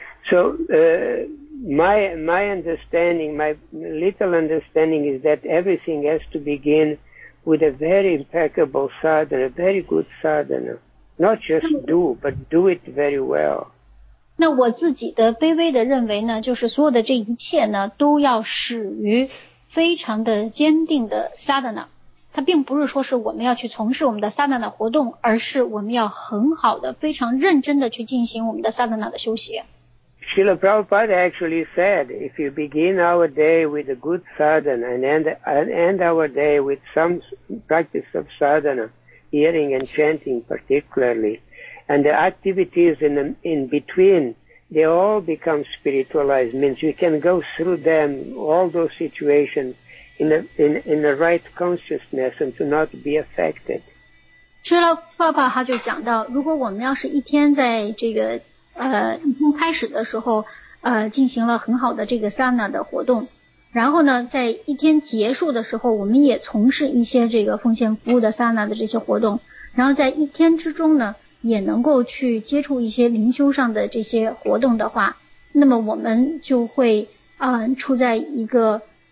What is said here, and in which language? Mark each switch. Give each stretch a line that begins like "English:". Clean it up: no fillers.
English: My understanding, my little understanding is that everything has to begin with a very impeccable sadhana, a very good sadhana. Not just do, but do it very well.
Chinese: 那我自己的卑微的认为呢，就是所有的这一切呢，都要始于非常的坚定的 sadhana。它并不是说是我们要去从事我们的 sadhana 活动，而是我们要很好的、非常认真的去进行我们的 sadhana 的修习。
English: Srila Prabhupada actually said, if you begin our day with a good sadhana and end our day with some practice of sadhana, hearing and chanting particularly, and the activities in between, they all become spiritualized, means you can go through them, all those situations, in the right consciousness and to not be affected.
Chinese: Srila Prabhupada 就讲到，如果我们要是一天在这个已经开始的时候进行了很好的这个 sadhana 的活动，然后呢在一天结束的时候我们也从事一些这个奉献服务的 sadhana 的这些活动，然后在一天之中呢也能够去接触一些灵修上的这些活动的话，那么我们就会处在一个